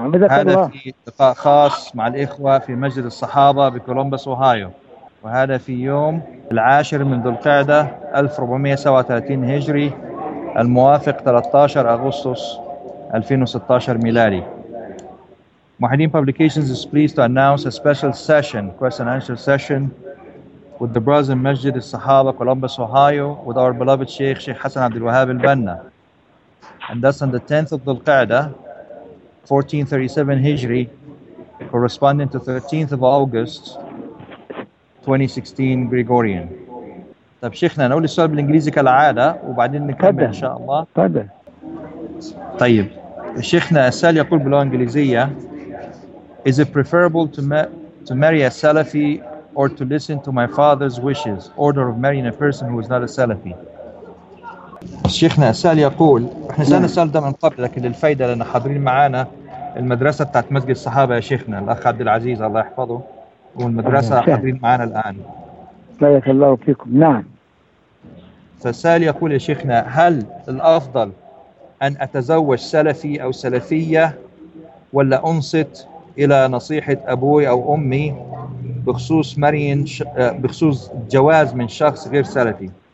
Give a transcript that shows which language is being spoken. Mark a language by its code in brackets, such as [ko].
[ar] هذا في لقاء خاص مع الإخوة في مسجد الصحابة بكولومبس أوهايو، وهذا في يوم العاشر من ذو القعدة 1437 هجري الموافق 13 أغسطس 2016 ميلادي. [en] Mohadin Publications is pleased to announce a special session, question and answer session, with the brothers in Masjid al-Sahaba, Columbus, Ohio, with our beloved Sheikh, Sheikh Hassan Abdul Wahab al-Banna. And that's on the 10th of Dhul-Qa'dah, 1437 Hijri, corresponding to 13th of August, 2016 Gregorian. [ar] طب شيخنا نقول السؤال بالإنجليزي كالعادة وبعدين نكمل إن شاء الله. طيب شيخنا السؤال يقول باللغة الإنجليزية: [en] Is it preferable to marry a Salafi or to listen to my father's wishes, order of marrying a person who is not a Salafi? [ar] شيخنا السؤال يقول، احنا سألنا السؤال ده من قبل لكن للفايدة، لأن حاضرين معانا المدرسة بتاعت مسجد الصحابة يا شيخنا الأخ عبد العزيز الله يحفظه، والمدرسة حاضرين معانا الآن. بارك الله فيكم. نعم. فالسؤال يقول يا شيخنا: هل الأفضل أن أتزوج سلفي أو سلفية، ولا أنصت إلى نصيحة أبوي أو أمي بخصوص مرين بخصوص جواز من شخص غير سلفي؟